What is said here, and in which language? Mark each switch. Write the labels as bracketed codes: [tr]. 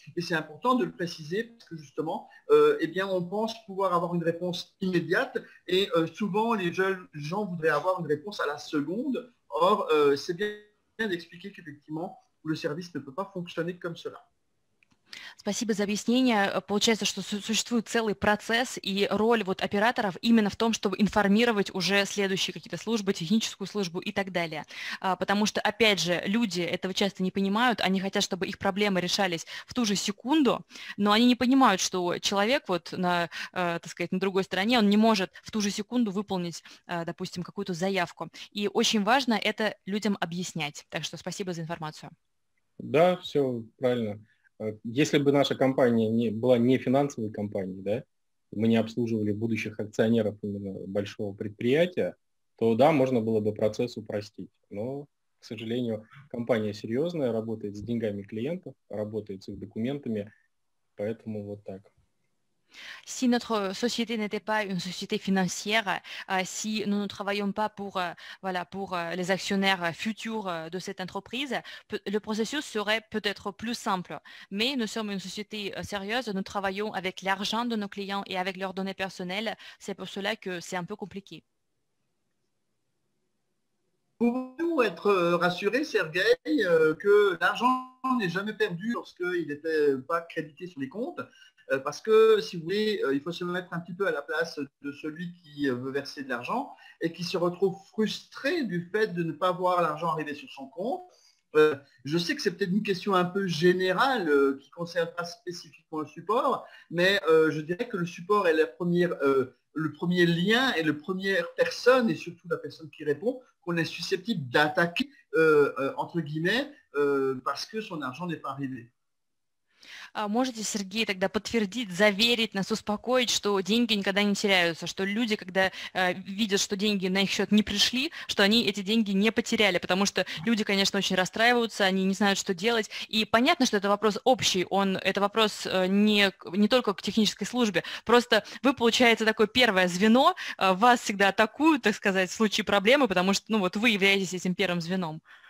[fr] Et c'est important de le préciser, parce que justement, eh bien, on pense pouvoir avoir une réponse immédiate, et souvent les jeunes gens voudraient avoir une réponse à la seconde. Or, c'est bien d'expliquer qu'effectivement, le service ne peut pas fonctionner comme cela. [ru] Спасибо за объяснение. Получается, что существует целый процесс и роль вот операторов именно в том, чтобы информировать уже следующие какие-то службы, техническую службу и так далее. Потому что, опять же, люди этого часто не понимают, они хотят, чтобы их проблемы решались в ту же секунду, но они не понимают, что человек вот на, так сказать, на другой стороне, он не может в ту же секунду выполнить, допустим, какую-то заявку. И очень важно это людям объяснять. Так что спасибо за информацию. Да, все правильно. Если бы наша компания не была не финансовой компанией, да, мы не обслуживали будущих акционеров именно большого предприятия, то да, можно было бы процесс упростить. Но, к сожалению, компания серьезная, работает с деньгами клиентов, работает с их документами, поэтому вот так. [fr] Si notre société n'était pas une société financière, si nous ne travaillons pas pour, voilà, pour les actionnaires futurs de cette entreprise, le processus serait peut-être plus simple. Mais nous sommes une société sérieuse, nous travaillons avec l'argent de nos clients et avec leurs données personnelles. C'est pour cela que c'est un peu compliqué. Pouvons-nous être rassurés, Sergueï, que l'argent n'est jamais perdu lorsqu'il n'était pas crédité sur les comptes? Parce que, si vous voulez, il faut se mettre un petit peu à la place de celui qui veut verser de l'argent et qui se retrouve frustré du fait de ne pas voir l'argent arriver sur son compte. Je sais que c'est peut-être une question un peu générale qui ne concerne pas spécifiquement le support, mais je dirais que le support est le premier lien et la première personne, et surtout la personne qui répond, qu'on est susceptible d'attaquer, entre guillemets, parce que son argent n'est pas arrivé. [ru] Можете, Сергей, тогда подтвердить, заверить нас, успокоить, что деньги никогда не теряются, что люди, когда видят, что деньги на их счет не пришли, что они эти деньги не потеряли, потому что люди, конечно, очень расстраиваются, они не знают, что делать. И понятно, что это вопрос общий, это вопрос не только к технической службе, просто вы, получается, такое первое звено, вас всегда атакуют, так сказать, в случае проблемы, потому что, ну вот, вы являетесь этим первым звеном.